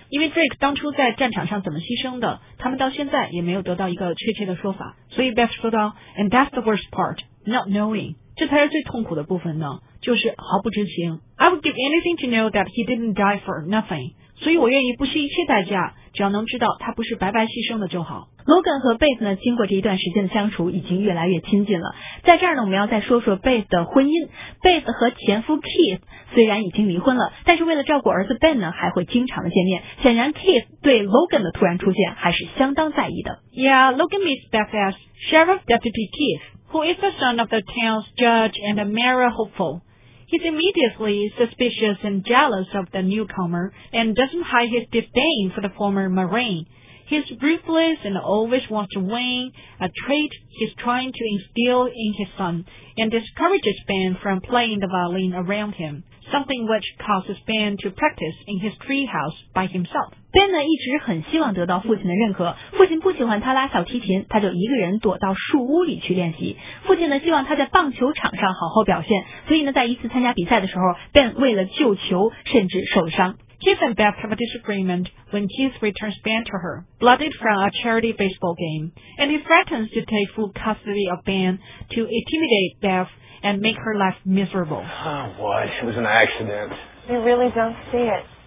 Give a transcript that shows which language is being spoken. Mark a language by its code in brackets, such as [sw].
[zh] 因为 Drake 当初在战场上怎么牺牲的，他们到现在也没有得到一个确切的说法。所以 Beth 说道 [en] And that's the worst part, not knowing. [zh] 这才是最痛苦的部分呢，就是毫不知情。 [en] I would give anything to know that he didn't die for nothing. [zh] 所以我愿意不惜一切代价，只要能知道他不是白白牺牲的就好。 Logan 和 Beth 呢，经过这一段时间的相处已经越来越亲近了。在这儿呢，我们要再说说 Beth 的婚姻。Beth 和前夫 Keith 虽然已经离婚了，但是为了照顾儿子 Ben 呢，还会经常的见面。显然 Keith 对 Logan 的突然出现还是相当在意的。 [en] Yeah, Logan meets Beth as Sheriff Deputy Keith, who is the son of the town's judge and a mayor hopeful. He's immediately suspicious and jealous of the newcomer and doesn't hide his disdain for the former Marine. He's ruthless and always wants to win, a trait he's trying to instill in his son, and discourages Ben from playing the violin around him. something which causes Ben to practice in his treehouse by himself. [zh] Ben 呢一直很希望得到父亲的认可，父亲不喜欢他拉小提琴，他就一个人躲到树屋里去练习。父亲呢希望他在棒球场上好好表现，所以呢在一次参加比赛的时候， Ben 为了救球甚至受伤。 [en] Keith and Beth have a disagreement when Keith returns Ben to her, bloodied from a charity baseball game, and he threatens to take full custody of Ben to intimidate Beth and make her life miserable. Oh, what? It was an accident. You really don't see it.